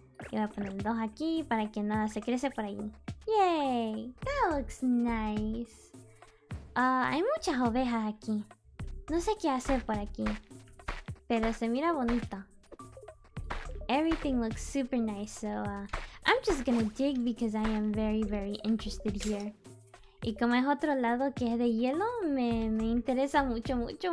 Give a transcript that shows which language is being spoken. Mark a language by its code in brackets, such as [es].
[es] Y voy a poner dos aquí para que nada se crece por ahí. [en] Yay, that looks nice. [es] Hay muchas ovejas aquí. No sé qué hacer por aquí, pero se mira bonito. [en] Everything looks super nice, so I'm just gonna dig because I am very, very interested here. [es] Y como es otro lado que es de hielo, me interesa mucho.